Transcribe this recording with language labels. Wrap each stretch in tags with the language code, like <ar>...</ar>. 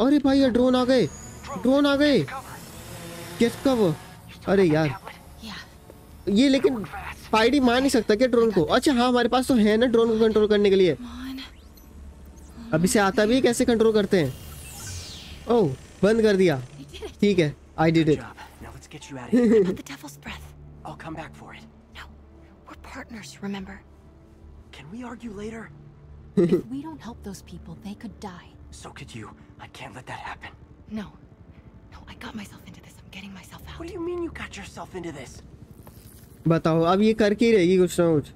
<hi>अरे भाई यार ड्रोन आ गए गेट कवर। अरे यार ये लेकिन स्पाइडी मार नहीं सकता क्या ड्रोन को? अच्छा हाँ, हमारे पास तो है ना ड्रोन को कंट्रोल करने के लिए। अभी से आता भी है, कैसे कंट्रोल करते हैं? ओह बंद कर दिया, ठीक है,</hi> <en>I did it. I'll come back for it. No, we're partners, remember? Can we argue later? If we don't help those people, they could die. So could you. I can't let that happen. No. No, I got myself into this. I'm getting myself out. What do you mean you got yourself into this?</en> <hi>बताओ, अब ये कर के रहेगी कुछ ना कुछ।</hi>